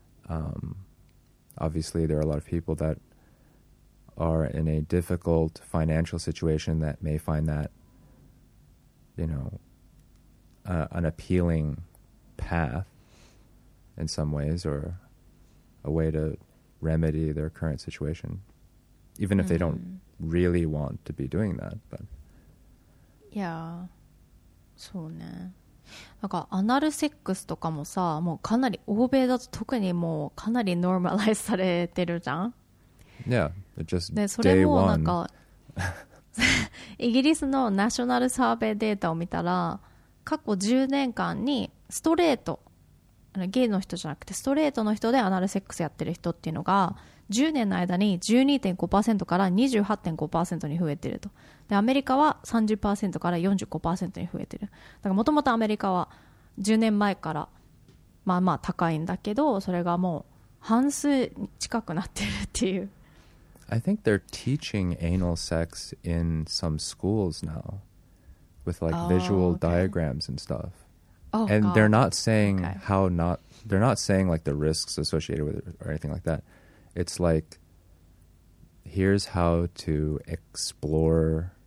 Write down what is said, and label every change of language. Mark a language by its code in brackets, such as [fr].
[en] And obviously, there are a lot of people that are in a difficult financial situation that may find that, you know, an appealing path in some ways or a way to. Remedy their current situation, even if they don't really want to be doing that. But [ja] yeah, そうね。なんかアナルセックスとかもさ、もうかなり欧米だと特にもうかなりノーマライズされてるじゃん。 [en] Yeah, it just one. で [ja] それもなんかイギリスのナショナルサーベイデータを見たら、過去10年間にストレートゲイの人じゃなくてストレートの人でアナルセックスやってる人っていうのが10年の間に 12.5% から 28.5% に増えてると。でアメリカは 30% から 45% に増えてる。だからもともとアメリカは10年前からまあまあ高いんだけど、それがもう半数近くなってるっていう。 [en] I think they're teaching anal sex in some schools now with like visual diagrams and stuff. Oh, and、 God. they're not saying、okay. how not, they're not saying like the risks associated with it or anything like that. It's like, here's how to explore